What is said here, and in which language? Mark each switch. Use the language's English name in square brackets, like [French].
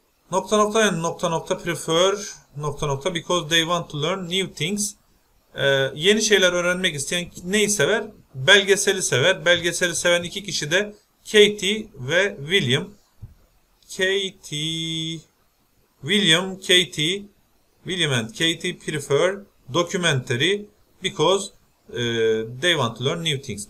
[English] Nokta nokta and nokta nokta prefer nokta nokta because they want to learn new things. [Turkish] Yeni şeyler öğrenmek isteyen neyi sever? Belgeseli sever. Belgeseli seven iki kişi de Katie ve William. Katie, William, Katie. [English] William and Katie prefer documentary because they want to learn new things.